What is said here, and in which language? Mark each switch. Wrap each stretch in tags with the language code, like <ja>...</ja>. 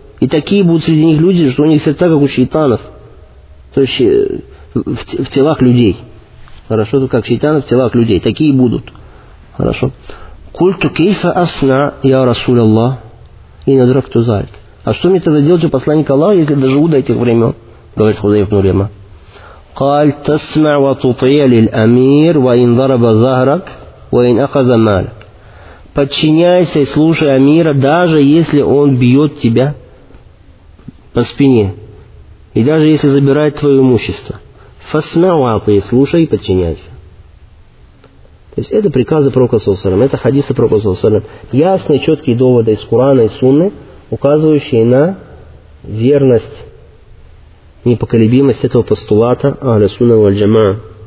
<ru>И такие будут среди них люди, что у них сердца, как у шейтанов. То есть в телах людей. Хорошо, как шейтанов в телах людей. Такие будут. Хорошо.</ru> <ar>قُلْتُ كَيْفَ أَصْنَعْ يَا رَسُولَ اللَّهِ إِنَّ أَدْرَكْتُ ذَلِكَ.</ar> <ru>А что мне тогда делать у посланника Аллаха, если доживу до этих времен? Говорит Худайб ибн Уляма.</ru> <ar>قال تسمع وتطيع للأمير وإن ضرب ظهرك وإن أخذ مالك.</ar> <ru>Подчиняйся и слушай Амира, даже если он бьет тебя по спине и даже если забирает твое имущество. Фасмауаты, слушай и подчиняйся. То есть это приказы пророка саллаллаху алейхи ва саллям, это хадисы пророка саллаллаху алейхи ва саллям, ясные четкие доводы из Корана и Сунны, указывающие на верность, непоколебимость этого постулата Ахля Сунна валь Джамаа.</ru>